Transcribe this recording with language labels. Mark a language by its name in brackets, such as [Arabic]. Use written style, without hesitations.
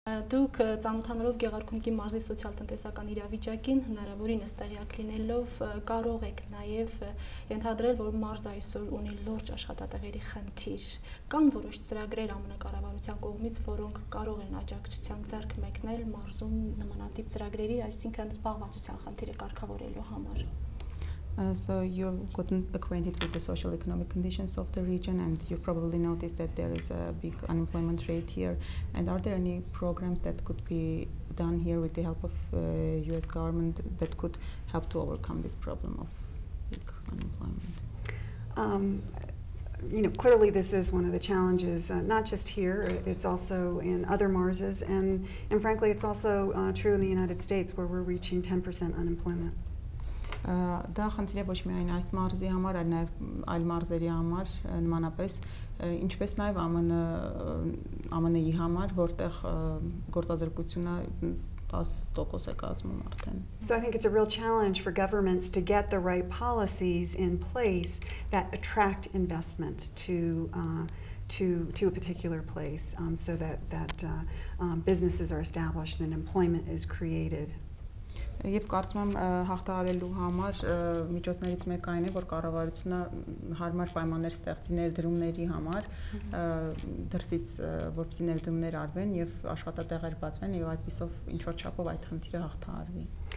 [Armenian] Դուք ծանոթանալով Գեղարքունիքի մարզի սոցիալ տնտեսական իրավիճակին, հնարավորինս տեղյակ լինելով, կարող եք նաև ենթադրել, որ մարզը այսօր ունի լուրջ աշխատատեղերի խնդիր. Կան որոշ ծրագրեր ամենակառավարության կողմից, որոնք կարող են աջակցության ձեռք մեկնել մարզում նմանատիպ ծրագրերի, այսինքն զբաղվածության խնդիրը կարգավորելու համար. [English] So you've gotten acquainted with the social economic conditions of the region, and you've probably noticed that there is a big unemployment rate here. And are there any programs that could be done here with the help of US government that could help to overcome this problem of big unemployment? You know, clearly this is one of the challenges, not just here, it's also in other Marses, and frankly it's also true in the United States, where we're reaching 10% unemployment. [Armenian] Դա խնդիր է ոչ միայն այս մարզի համար, այլ նաև այլ մարզերի համար նմանապես, ինչպես նաև ԱՄՆ-ի համար, որտեղ գործազրկությունը 10% է կազմում արդեն. [English] So I think it's a real challenge for governments to get the right policies in place that attract investment to a particular place so that businesses are established and employment is created. [Armenian] Եվ կարծում եմ հաղթահարելու համար միջոցներից մեկ այն է, որ կառավարությունը հարմար պայմաններ ստեղծի ներդրումների համար, դրսից որպեսզի ներդրումներ արվեն եւ աշխատատեղեր բացվեն եւ այդպիսով ինչ-որ չափով այդ խնդիրը հաղթահարվի.